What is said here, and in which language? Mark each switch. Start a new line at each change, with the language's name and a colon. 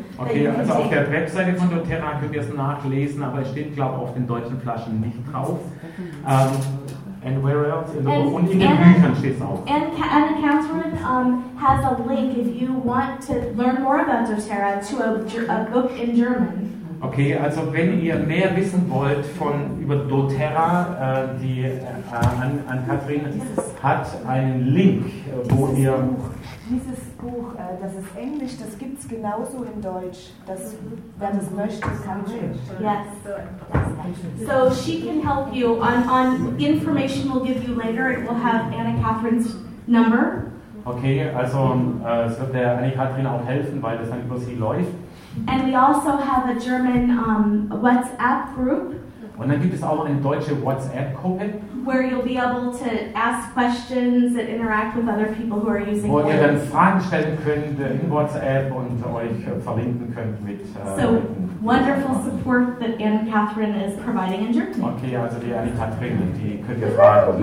English: Okay, you also
German: auf der Webseite von doTERRA könnt ihr es nachlesen, aber es steht, glaube ich, auf den deutschen Flaschen nicht drauf.
English: And where else?
German: Und in den Büchern steht es auch.
English: And Catherine has a link if you want to learn more about doTERRA to a book in German.
German: Okay, also wenn ihr mehr wissen wollt von über doTERRA, die Anne-Catherine hat einen Link, wo ihr... Dieses Buch, das ist Englisch, das gibt es genauso in Deutsch. Das, wer das möchte, kann es.
English: Yes. So she can help you. On information we'll give you later, it will have Anne-Catherine's number.
German: Okay, also es wird der Anne-Catherine auch helfen, weil das dann über sie läuft.
English: And we also have a German WhatsApp group.
German: Und dann gibt es auch eine deutsche WhatsApp-Gruppe,
English: where you'll be able to ask questions and interact with other people who are using
German: WhatsApp. Wo ihr dann Fragen stellen könnt in WhatsApp und euch verlinken könnt mit.
English: So wonderful support that Anne-Catherine is providing in Germany.
German: Okay, also die Anne-Catherine, die könnt ihr fragen.